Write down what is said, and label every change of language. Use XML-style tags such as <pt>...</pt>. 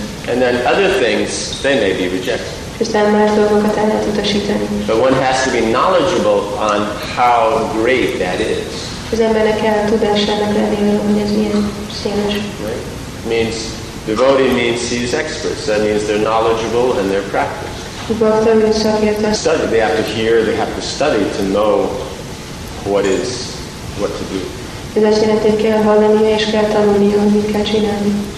<en>And then other things, they may be rejected. But one has to be knowledgeable on how great that is.</en> <hu>Az embernek kell tudásának lenni, hogy ez milyen széles.</hu> <en>Right? Means devotee means he's experts. That means they're knowledgeable and they're practiced. Study. They have to hear. They have to study to know what to do.</en> <hu>Ez azt jelenti, hogy kell hallani és kell tanulni, hogy mit kell csinálni.</hu>